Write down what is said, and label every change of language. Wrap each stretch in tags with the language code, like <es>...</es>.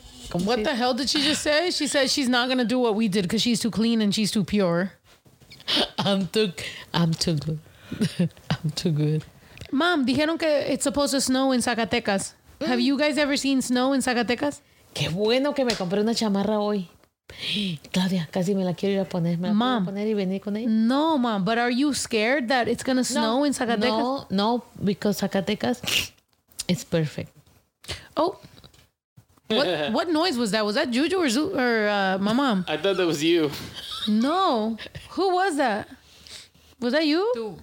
<en>Come what see. The hell did she just say? She said she's not gonna do what we did because she's too clean and she's too pure. I'm too good. I'm too good. Mom,</en> <es>dijeron que</es> <en>it's supposed to snow in Zacatecas. Have you guys ever seen snow in Zacatecas?</en> <es>Qué bueno que me compré una chamarra hoy. Claudia, casi me la quiero ir a poner. Me la</es> <en>mom,</en> <es>puedo poner y venir con él.</es> <en>No, mom, but are you scared that it's going to snow in Zacatecas? No, no, because Zacatecas is perfect. Oh, what noise was that? Was that Juju or my mom? I thought that was you. No, who was that? Was that you?</en>